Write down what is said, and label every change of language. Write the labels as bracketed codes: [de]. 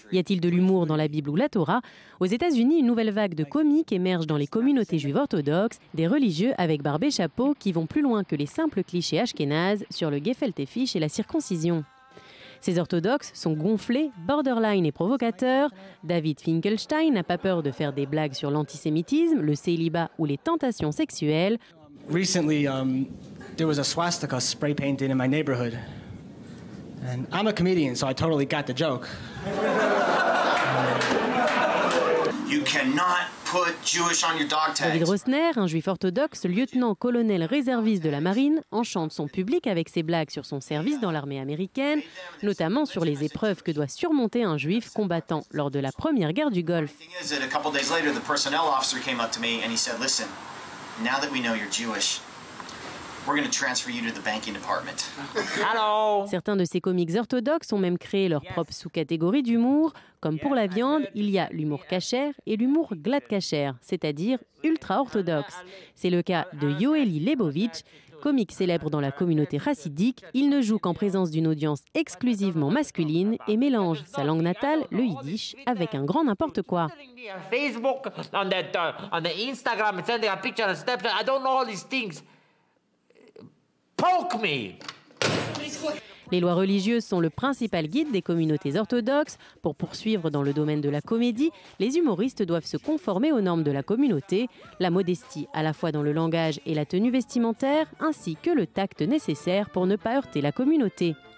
[fr] Y a-t-il de l'humour dans la Bible ou la Torah? Aux États-Unis, une nouvelle vague de comiques émerge dans les communautés juives orthodoxes, des religieux avec barbe et chapeau qui vont plus loin que les simples clichés ashkénazes sur le gefilte fish et la circoncision. Ces orthodoxes sont gonflés, borderline et provocateurs. David Finkelstein n'a pas peur de faire des blagues sur l'antisémitisme, le célibat ou les tentations sexuelles. [en] Recently, there was a swastika spray painted in my neighborhood. And I'm a comedian, so I totally got the joke. You cannot put Jewish on your dog tags. [fr] David Rosner, un juif orthodoxe, lieutenant-colonel réserviste de la marine, enchante son public avec ses blagues sur son service dans l'armée américaine, notamment sur les épreuves que doit surmonter un juif combattant lors de la première guerre du Golfe. [en] The thing is that a couple days later, the personnel officer came up to me and he said, listen, now that we know you're Jewish, we're going to transfer you to the banking department. Hello. [fr] Certains de ces comiques orthodoxes ont même créé leur propre sous-catégorie d'humour. Comme pour la viande, il y a l'humour kasher et l'humour glad kasher, c'est-à-dire ultra-orthodoxe. C'est le cas de Yoeli Leibovitch, comique célèbre dans la communauté hassidique. Il ne joue qu'en présence d'une audience exclusivement masculine et mélange sa langue natale, le yiddish, avec un grand n'importe quoi. [en] Facebook, on Instagram, sending a picture, Snapchat, I don't know all these things. Poke me. [fr] Les lois religieuses sont le principal guide des communautés orthodoxes. Pour poursuivre dans le domaine de la comédie, les humoristes doivent se conformer aux normes de la communauté, la modestie à la fois dans le langage et la tenue vestimentaire, ainsi que le tact nécessaire pour ne pas heurter la communauté.